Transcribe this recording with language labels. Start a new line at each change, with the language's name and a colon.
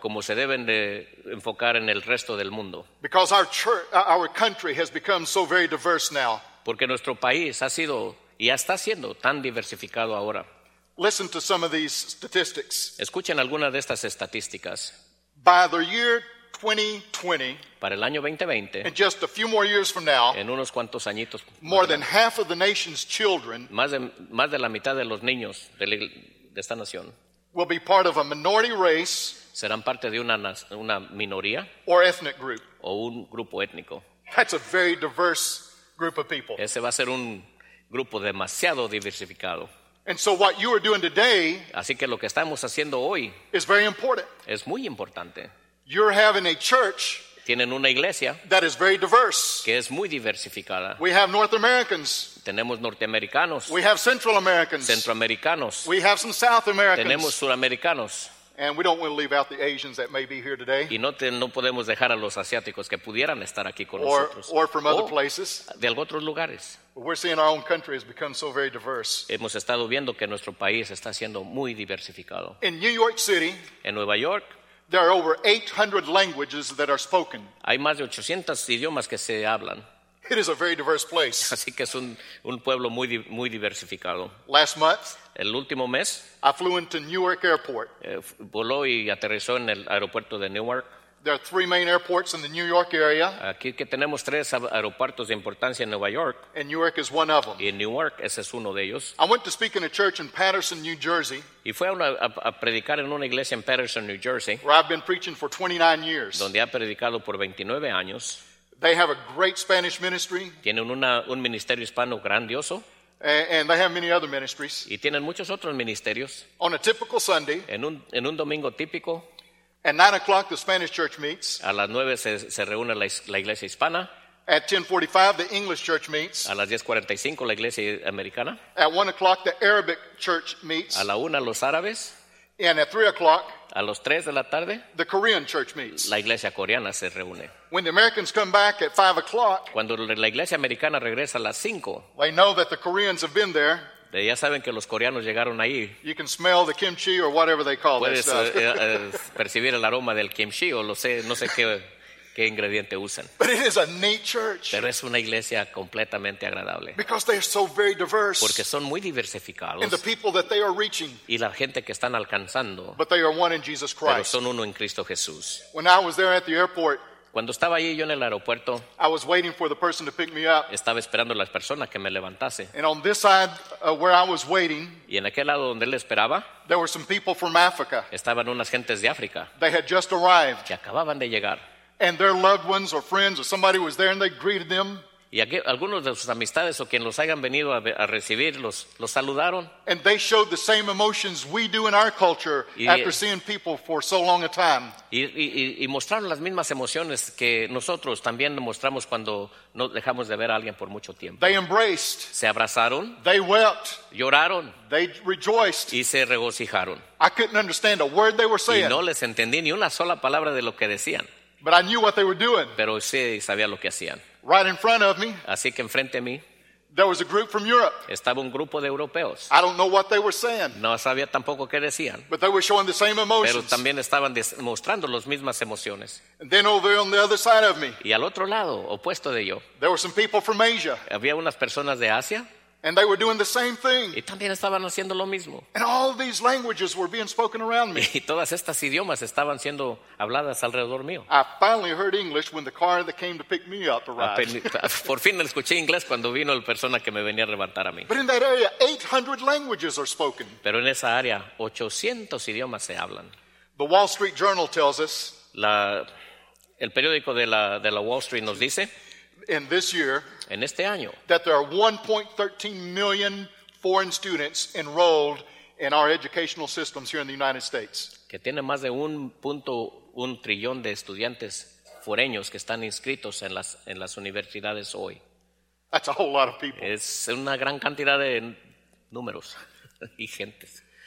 Spanish: como se deben de enfocar en el resto del mundo,
English: because our country has become so very diverse now,
Spanish: porque nuestro país ha sido y ya está siendo tan diversificado ahora.
English: Listen to some of these statistics.
Spanish: Escuchen algunas de estas estadísticas.
English: By the year 2020,
Spanish: para el año 2020,
English: and just a few more years from now,
Spanish: en unos cuantos añitos,
English: more than half of the nation's children,
Spanish: más de la mitad de los niños de esta nación,
English: will be part of a minority race,
Spanish: serán parte de una minoría,
English: or ethnic group,
Spanish: o un grupo étnico.
English: That's a very diverse group of people.
Spanish: Ese va a ser un grupo demasiado diversificado.
English: And so what you are doing today,
Spanish: así que lo que estamos haciendo hoy,
English: is very important.
Spanish: Es muy importante.
English: You're having a church.
Spanish: Tienen una iglesia.
English: That is very diverse.
Spanish: Que es muy diversificada.
English: We have North Americans.
Spanish: Tenemos norteamericanos.
English: We have Central Americans.
Spanish: Centroamericanos.
English: We have some South Americans.
Spanish: Tenemos suramericanos.
English: And we don't want to leave out the Asians that may be here today.
Spanish: Y no podemos dejar a los asiáticos que pudieran estar aquí con nosotros.
English: Or from other places.
Spanish: De otros lugares.
English: We're seeing our own country has become so very diverse.
Spanish: Hemos estado viendo que nuestro país está siendo muy diversificado.
English: In New York City.
Spanish: En Nueva York.
English: There are over 800 languages that are spoken.
Spanish: Hay más de 800 idiomas que se hablan.
English: It is a very diverse place.
Spanish: Así que es un pueblo muy muy diversificado.
English: Last month,
Spanish: el último mes,
English: I flew into Newark Airport.
Spanish: Voló y aterrizó en el aeropuerto de Newark.
English: There are three main airports in the New York area.
Spanish: Aquí que tenemos tres aeropuertos de importancia en Nueva York.
English: And Newark is one of them.
Spanish: Y en Newark, ese es uno de ellos.
English: I went to speak in a church in Paterson, New Jersey.
Spanish: Y fue a predicar en una iglesia en Paterson, New Jersey.
English: Where I've been preaching for 29 years.
Spanish: Donde ha predicado por 29 años.
English: They have a great Spanish ministry.
Spanish: Tienen un ministerio hispano grandioso.
English: And they have many other ministries.
Spanish: Y tienen muchos otros ministerios.
English: On a typical Sunday,
Spanish: en un domingo típico,
English: at 9 o'clock the Spanish church meets.
Spanish: A las 9 se reúne la iglesia hispana.
English: At 10:45 the English church meets.
Spanish: A las 10:45 la iglesia americana.
English: At 1 o'clock the Arabic church meets.
Spanish: A la 1 los árabes.
English: And at 3 o'clock,
Spanish: a los 3 de la tarde,
English: the Korean church meets.
Spanish: La iglesia coreana se reúne.
English: When the Americans come back at 5 o'clock,
Spanish: cuando la iglesia americana regresa a las 5,
English: they know that the Koreans have been there.
Spanish: Ya saben que los coreanos llegaron ahí.
English: You can smell the kimchi or whatever they call
Spanish: puedes,
English: this stuff.
Spanish: Puedes percibir el aroma del kimchi o no sé qué ingrediente usan.
English: But it is a neat church.
Spanish: Pero es una iglesia completamente agradable.
English: Because they are so very diverse.
Spanish: Porque son muy diversificados.
English: And the people that they are reaching.
Spanish: Y la gente que están alcanzando.
English: But they are one in Jesus Christ.
Spanish: Pero son uno en Cristo Jesús.
English: When I was there at the airport.
Spanish: Cuando estaba allí yo en el aeropuerto,
English: I was waiting for the person to pick me up.
Spanish: Estaba esperando a la persona que me levantase.
English: And on this side where I was waiting,
Spanish: y en aquel lado donde él esperaba,
English: there were some people from Africa.
Spanish: Estaban unas gentes de África.
English: They had just arrived.
Spanish: Que acababan de llegar.
English: And their loved ones or friends or somebody was there and they greeted them.
Spanish: Y algunos de sus amistades o quien los hayan venido a recibir los saludaron.
English: And they showed the same emotions we do in our culture after seeing people for so long a time.
Spanish: Y mostraron las mismas emociones que nosotros también mostramos cuando no dejamos de ver a alguien por mucho tiempo.
English: They embraced.
Spanish: Se abrazaron.
English: They wept.
Spanish: Lloraron.
English: They rejoiced.
Spanish: Y se regocijaron.
English: I couldn't understand a word they were saying.
Spanish: Y no les entendí ni una sola palabra de lo que decían.
English: But I knew what they were doing.
Spanish: Pero sí sabía lo que hacían.
English: Right in front of me,
Spanish: así que enfrente a mí,
English: there was a group from Europe.
Spanish: Estaba un grupo de europeos.
English: I don't know what they were saying.
Spanish: No sabía tampoco qué decían.
English: But they were showing the same emotions.
Spanish: Pero también estaban mostrando las mismas emociones.
English: And then over on the other side of me,
Spanish: y al otro lado, opuesto de yo,
English: there were some people from Asia.
Spanish: Había unas personas de Asia.
English: And they were doing the same thing.
Spanish: Y también estaban haciendo lo mismo.
English: And all these languages were being spoken around me.
Spanish: Y todas estas idiomas estaban siendo habladas alrededor mío.
English: I finally heard English when the car that came to pick me up arrived.
Spanish: Por fin escuché inglés cuando vino la persona que me venía a levantar a mí.
English: But in that area, 800 languages are spoken.
Spanish: Pero en esa área, 800 idiomas se hablan.
English: The Wall Street Journal tells us.
Spanish: El periódico de la Wall Street nos dice.
English: In this year,
Spanish: en este año,
English: that there are 1.13 million foreign students enrolled in our educational systems here in the United States.
Spanish: Que tiene más de 1.1 trillón de estudiantes foreños que están inscritos en las universidades hoy.
English: That's a whole lot of people.
Spanish: Es una gran cantidad de números y gentes.